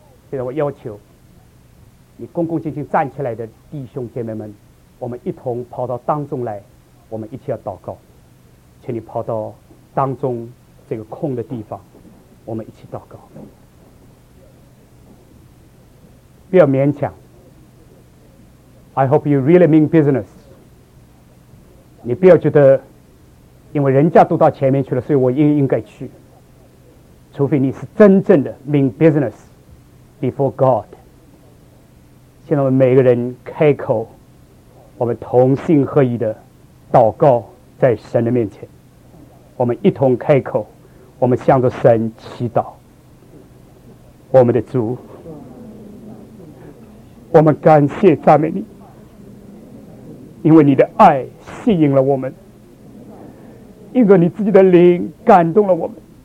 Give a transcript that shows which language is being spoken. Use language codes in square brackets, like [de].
[zh] 现在我要求你恭恭敬敬站起来的弟兄姐妹们，我们一同跑到当中来，我们一起要祷告。请你跑到当中这个空的地方，我们一起祷告。不要勉强， [en] I hope you really mean business。 [zh] 你不要觉得因为人家都到前面去了，所以我应该去。除非你是真正的 [en] mean business before God。 [zh] 现在我们每个人开口，我们同心合意的祷告在神的面前，我们一同开口，我们向着神祈祷。我们的主，我们感谢赞美你，因为你的爱吸引了我们，因着你自己的灵感动了我们。